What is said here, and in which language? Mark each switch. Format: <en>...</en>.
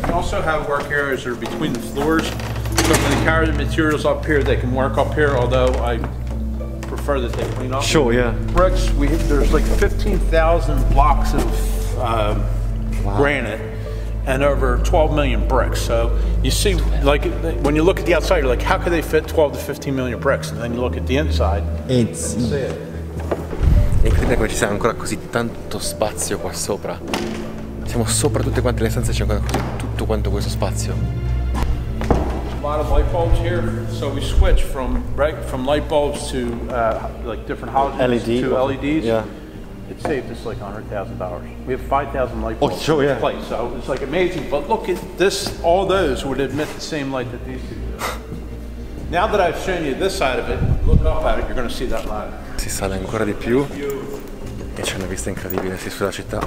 <en>We also have work areas that are between the floors. So when they carry the materials up here, they can work up here, although I prefer that they clean up. Sure, yeah. Bricks, there's like 15,000 blocks of granite and over 12 million bricks. So you see, like, when you look at the outside, you're like, how could they fit 12 to 15 million bricks? And then you look at the inside it's and see it.</en> <it>È incredibile come ci sia ancora così tanto spazio qua sopra. Siamo sopra tutte quante le stanze e c'è ancora così, tutto quanto questo spazio.</it> <en>A lot of light bulbs here, so we switch from light bulbs to like different halogens LED. To LEDs. Yeah. It saved us like $100,000. We have 5,000 light bulbs oh, sure, yeah. in place, so it's like amazing. But look at this, all those would emit the same light that these two do. Now that I've shown you this side of it, look up at it, you're going to see that light.</en> <it>Si sale ancora di più e c'è una vista incredibile sì, sulla città.</it>